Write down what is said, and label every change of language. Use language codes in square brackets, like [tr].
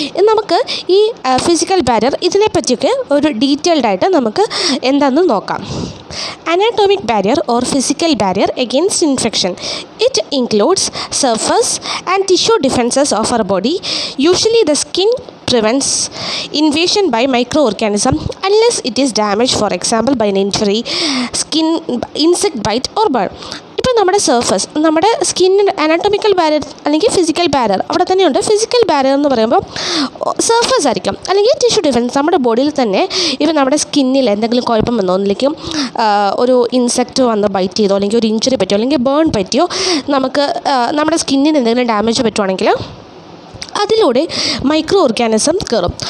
[ml] നമുക്ക് ഈ physical barrier ഇതിനെപ്പറ്റിയൊക്കെ ഒരു ഡീറ്റെയിൽഡായിട്ട് നമുക്ക് എന്താന്ന് നോക്കാം. [en] Anatomic barrier or physical barrier against infection. It includes surface and tissue defenses of our body. Usually the skin prevents invasion by microorganism unless it is damaged, for example by an injury, skin insect bite or burn. [ml] ഇപ്പോൾ നമ്മുടെ surface, നമ്മുടെ സ്കിന്നിൻ്റെ അനാറ്റോമിക്കൽ barrier അല്ലെങ്കിൽ physical barrier അവിടെ തന്നെയുണ്ട്. Physical barrier എന്ന് പറയുമ്പോൾ surface ആയിരിക്കും അല്ലെങ്കിൽ ടിഷ്യു ഡിഫൻസ്. നമ്മുടെ ബോഡിയിൽ തന്നെ ഇപ്പോൾ നമ്മുടെ സ്കിന്നിൽ എന്തെങ്കിലും കുഴപ്പം വന്നോ, അല്ലെങ്കിൽ ഒരു ഇൻസെക്ട് വന്ന് ബൈറ്റ് ചെയ്തോ, അല്ലെങ്കിൽ ഒരു ഇഞ്ചുറി പറ്റിയോ, അല്ലെങ്കിൽ ബേൺ പറ്റിയോ, നമുക്ക് നമ്മുടെ സ്കിന്നിന് എന്തെങ്കിലും ഡാമേജ് പറ്റുവാണെങ്കിൽ അതിലൂടെ മൈക്രോ ഓർഗാനിസം കയറും.